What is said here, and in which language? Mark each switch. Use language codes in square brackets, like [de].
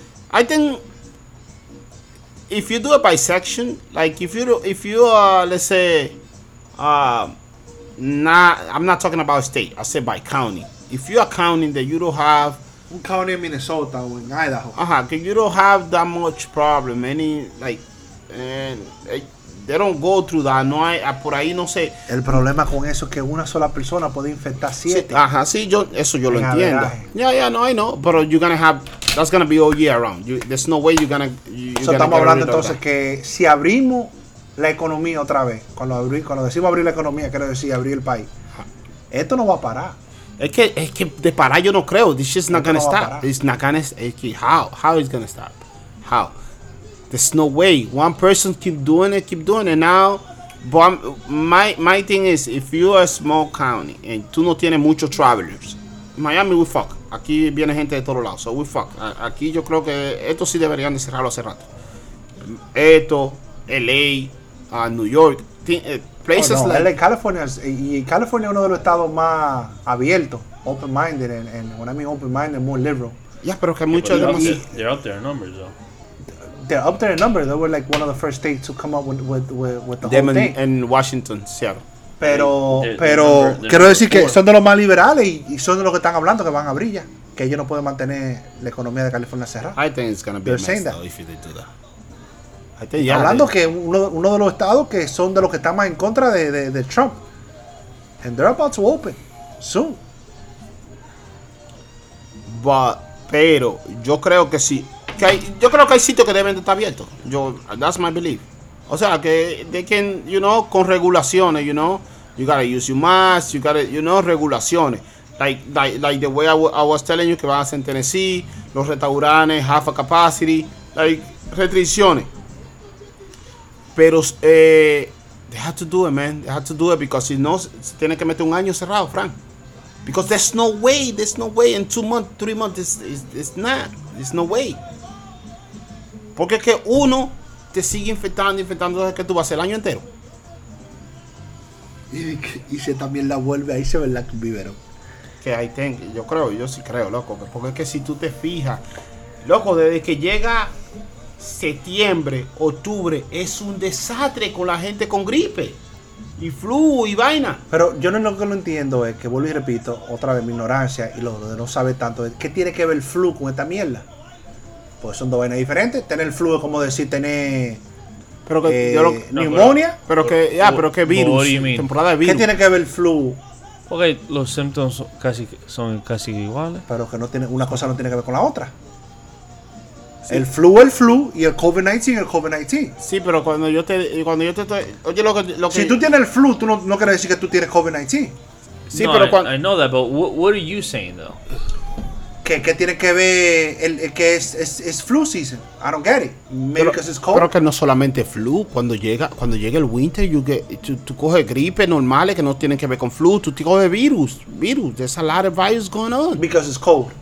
[en] I think if you do it by section, like I'm not talking about state, I said by county. If you are counting that you don't have one county in Minnesota or in Idaho. Okay, you don't have that much problem. Any like and they don't go through that. [es] No hay por ahí no sé. El problema con eso es que una sola persona puede infectar 7. Sí, yo lo entiendo. Verdad. [en] Yeah, no, I know. But you're gonna have that's gonna be all year round. There's no way you're gonna. [es] Estamos hablando entonces que si abrimos la economía otra vez, cuando decimos abrir la economía, quiero decir abrir el país. Esto no va a parar. Es que de parar yo no creo. [en] This shit's not gonna stop. It's not gonna. How it's gonna stop? How? There's no way. One person keep doing it. Now, but my thing is, if you are a small county and [es] tú no tienes muchos [en] travelers, Miami we fuck. [es] Aquí viene gente de todos lados, [en] so we fuck. [es] Aquí yo creo que esto sí deberían de cerrarlo hace rato. [en] Esto, LA, New York, places [es] like LA, California, y California es uno de los estados más abiertos, [en] open minded, and when I mean open minded, more liberal. [es] Yeah, pero que muchos de ellos. [en] They're up there in numbers, though. They're up there in number. They were like one of the first states to come up with the whole thing. Them in Washington, Seattle. [es] Pero quiero decir que son de los más liberales y son de los que están hablando que van a brillar. Que ellos no pueden mantener la economía de California cerrada. [en] I think it's going to be a mess though if they do that. I think, yeah, [es] hablando que uno de los estados que son de los que están más en contra de Trump. [en] And they're about to open soon. [es] Pero yo creo que sí. Yo creo que hay sitios que deben de estar abiertos. [en] That's my belief. [es] O sea, que [en] they can, you know, [es] con regulaciones, [en] you know. You gotta use your mask, you gotta, you know, regulaciones. Like the way I was telling you [es] que van a ser en Tennessee, los restaurantes, [en] half a capacity, like, restricciones. Pero, they have to do it, man. They have to do it because, you know, [es] se tiene que meter un año cerrado, [en] Frank. Because there's no way in 2 months, 3 months, it's no way. [es] Porque es que uno te sigue infectando, desde que tú vas el año entero. Y se también la vuelve, ahí se ve la vivero. Que ahí tengo, yo creo, yo sí creo, loco. Porque es que si tú te fijas, loco, desde que llega septiembre, octubre, es un desastre con la gente con gripe. Y flu, y vaina. Pero yo no lo que lo entiendo es que, vuelvo y repito, otra vez mi ignorancia y lo de no saber tanto, es ¿qué tiene que ver el flu con esta mierda? Pues son dos vainas diferentes. Tener el flu es como decir tener. Pero que. Neumonia. No, pero que virus. [en] What do you mean? [es] Temporada de virus. ¿Qué tiene que ver el flu? Porque okay, los symptoms son casi iguales. Pero que no tiene. Una cosa no tiene que ver con la otra. Sí. El flu es el flu y el COVID-19 es el COVID-19. Sí, pero cuando yo te estoy. Oye, lo que. Si tú tienes el flu, tú no quieres decir que tú tienes COVID-19. Sí, no, pero cuando. [en] I know that, but what are you saying, though? [es] Que tiene que ver el que es flu season. [en] I don't get it. Maybe because it's cold. [es] Creo que no solamente flu. Cuando llega el winter, tú coges gripe normales que no tienen que ver con flu. Tú coges virus. [en] There's a lot of virus going on. Because it's cold.